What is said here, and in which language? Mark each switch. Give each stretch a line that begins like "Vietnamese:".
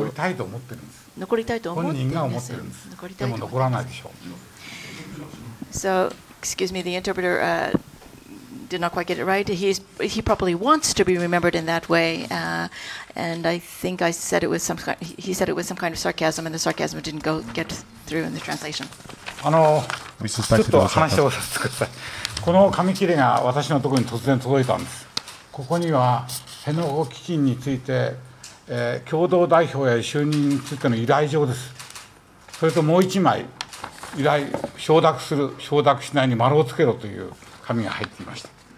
Japanese: 残りたいと思ってるんです。残りたいと思ってるんです。本人が思ってるんです。残りたいと思ってるんです。でも残らないでしょう。
English: So excuse me, the interpreter did not quite get it right. He probably wants to be remembered in that way, and I think I said it was some kind, he said it was some kind of sarcasm, and the sarcasm didn't go get through in the translation.
Japanese: ちょっと話をさせてください。この紙切れが私のところに突然届いたんです。ここには辺野古基金について、共同代表や就任についての依頼状です。それともう一枚依頼承諾する承諾しないに丸をつけろという紙が入っていました。